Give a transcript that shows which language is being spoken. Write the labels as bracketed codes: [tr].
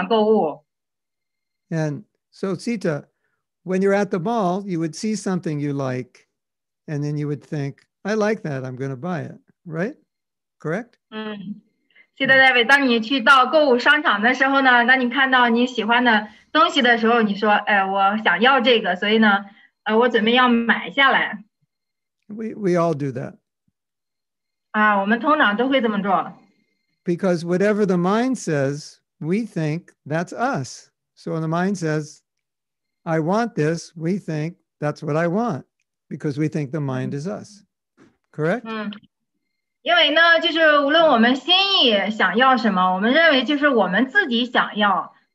[zh] 就是在我们开会一起有时候去那个购物嘛，然后呢，就是Sita Devi就跟我说，就是在我成为奉献者之前，基本上每周我都会去商场购物。 [en] And so Sita, when you're at the mall, you would see something you like, and then you would think, I like that, I'm going to buy it, right? Correct? We all do that. [zh] 我们通常都会这么做。 [en] Because whatever the mind says, we think that's us. So when the mind says, I want this, we think that's what I want, because we think the mind is us. Correct? [zh] 因为呢，就是无论我们心意想要什么，我们认为就是我们自己想要。